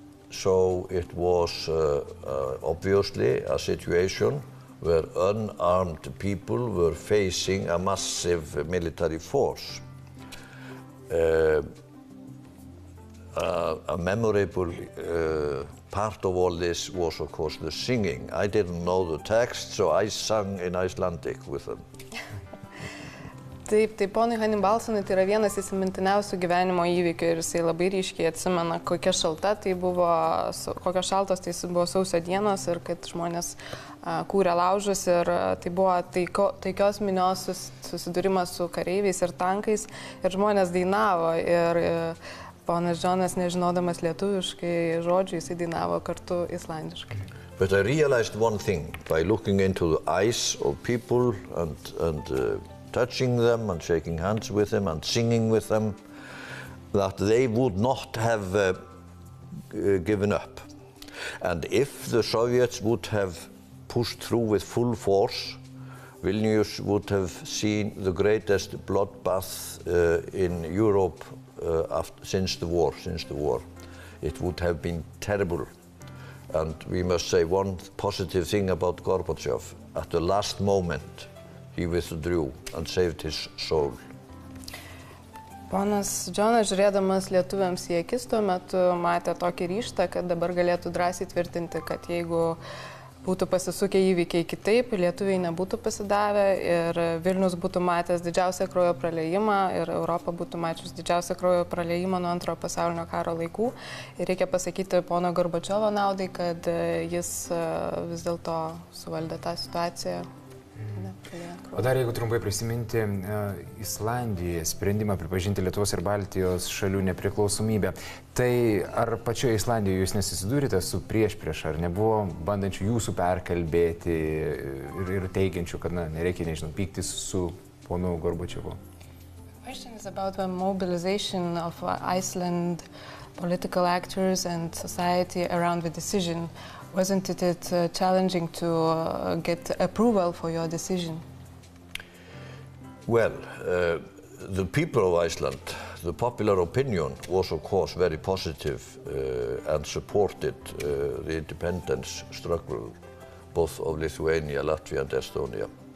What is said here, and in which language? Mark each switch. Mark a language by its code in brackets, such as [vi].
[en] So it was obviously a situation where unarmed people were facing a massive military force. A memorable part of all this was, of course, the singing. I didn't know the text, so I sang in Icelandic with them. [lt] Taip, tai ponui Hanibalsonui tai yra vienas įsimintiniausių gyvenimo įvykių ir jisai labai ryškiai atsimena, kokia šalta tai buvo, kokios šaltos tai buvo sausio dienos ir kad žmonės kūrė laužus ir tai buvo taikios minios susidūrimas su kareiviais ir tankais ir žmonės dainavo ir ponas Džonas, nežinodamas lietuviškai žodžių, jisai dainavo kartu islandiškai. [en] But I realized one thing by looking into the eyes of people and touching them and shaking hands with them and singing with them, that they would not have given up. And if the Soviets would have pushed through with full force, Vilnius would have seen the greatest bloodbath in Europe since the war. It would have been terrible. And we must say one positive thing about Gorbachev. At the last moment, he withdrew and saved his soul. [lt] Ponas Džonas, žiūrėdamas lietuviams į akis tuo metu, matė tokį ryštą, kad dabar galėtų drąsiai tvirtinti, kad jeigu būtų pasisukę įvykiai kitaip, lietuviai nebūtų pasidavę ir Vilnius būtų matęs didžiausią kraujo praliejimą ir Europa būtų mačius didžiausią kraujo praliejimą nuo antrojo pasaulinio karo laikų. Ir reikia pasakyti pono Gorbačiovo naudai, kad jis vis dėlto suvaldė tą situaciją. O dar jeigu trumpai prisiminti Islandiją, sprendimą pripažinti Lietuvos ir Baltijos šalių nepriklausomybę, tai ar pačioje Islandijoje jūs nesisidūrite su priešprieš, ar nebuvo bandančių jūsų perkalbėti ir teikiančių, kad na, nereikia, nežinau, pyktis su ponu Gorbačiovu? [en] Question is about the mobilization of Iceland political actors and society around the decision. Wasn't it challenging to get approval for your decision? Well, the people of Iceland, the popular opinion was of course very positive and supported the independence struggle both of Lithuania, Latvia and Estonia.